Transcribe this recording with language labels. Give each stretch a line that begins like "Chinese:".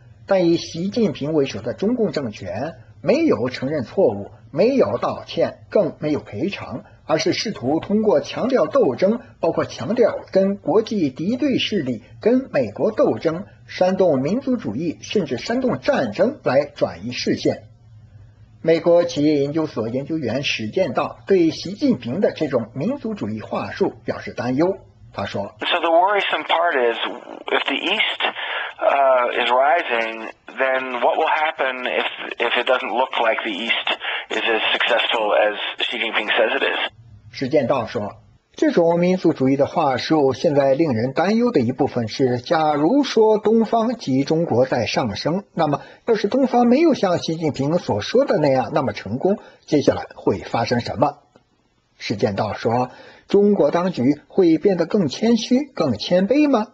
Chinese: 但以习近平为首的中共政权没有承认错误，没有道歉，更没有赔偿，而是试图通过强调斗争，包括强调跟国际敌对势力、跟美国斗争，煽动民族主义，甚至煽动战争来转移视线。美国企业研究所研究员史建道对习近平的这种民族主义话术表示担忧。他说，
English: So the worrisome part is if the East, is rising, then what will happen if it doesn't look like the East is as successful as Xi Jinping says it is?
Chinese: 史建道说，这种民族主义的话术现在令人担忧的一部分是，假如说东方及中国在上升，那么要是东方没有像习近平所说的那样那么成功，接下来会发生什么？施建道说，中国当局会变得更谦虚更谦卑吗？